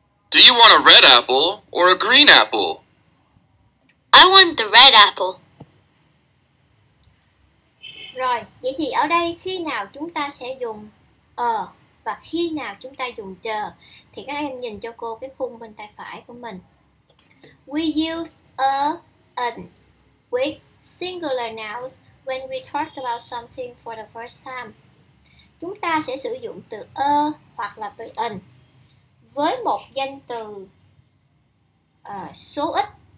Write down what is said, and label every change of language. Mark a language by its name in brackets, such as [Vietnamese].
[English] Do you want a red apple or a green apple? I want the red apple. [Vietnamese] Rồi, vậy thì ở đây khi nào chúng ta sẽ dùng a và khi nào chúng ta dùng the? Thì các em nhìn cho cô cái khung bên tay phải của mình. [English] We use a, an with singular nouns when we talk about something for the first time. [Vietnamese] Chúng ta sẽ sử dụng từ a hoặc là từ an với một danh từ số ít.